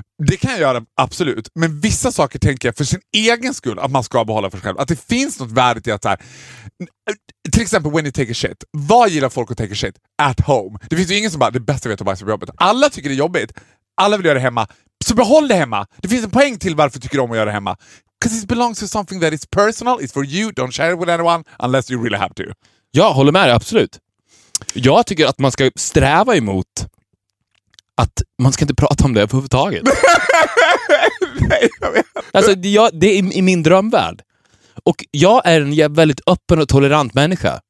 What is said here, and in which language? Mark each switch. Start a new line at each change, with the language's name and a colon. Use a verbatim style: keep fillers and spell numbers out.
Swedish: Det kan jag göra, absolut. Men vissa saker tänker jag för sin egen skull att man ska behålla för sig själv. Att det finns något värde i att så här, till exempel
English: when you take a shit.
Swedish: Vad gillar folk att
English: take a shit? At home.
Swedish: Det finns ju ingen som bara, det bästa vet att bajsa på jobbet. Alla tycker det är jobbigt. Alla vill göra det hemma. Så behåll det hemma. Det finns en poäng till varför tycker om att göra det hemma.
English: Because it belongs to something that is personal. It's for you. Don't share it with anyone unless you really have to.
Swedish: Jag håller med dig, absolut. Jag tycker att man ska sträva emot att man ska inte prata om det överhuvudtaget. Nej, jag vet. Alltså, jag, det är i min drömvärld. Och jag är en väldigt öppen och tolerant människa.